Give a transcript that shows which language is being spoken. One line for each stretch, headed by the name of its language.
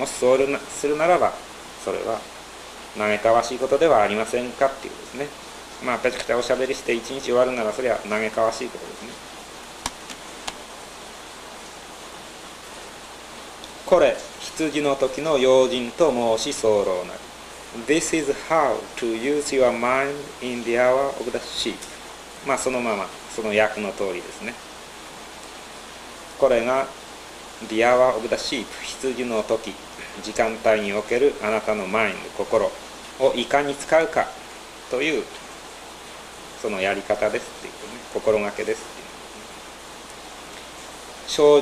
Japanese: もしそうするならばそれは嘆かわしいことではありませんかっていうですね。まあペチャペチャおしゃべりして一日終わるならそりゃ嘆かわしいことですね。これ羊の時の用心と申し候なり。
English: This is how to use your mind in the hour of the sheep。
Japanese: まあそのままその訳の通りですね。これが
English: the hour of the sheep、
Japanese: 羊の時、時間帯におけるあなたのマインド、心をいかに使うかというそのやり方ですっていうね、心がけですっていう。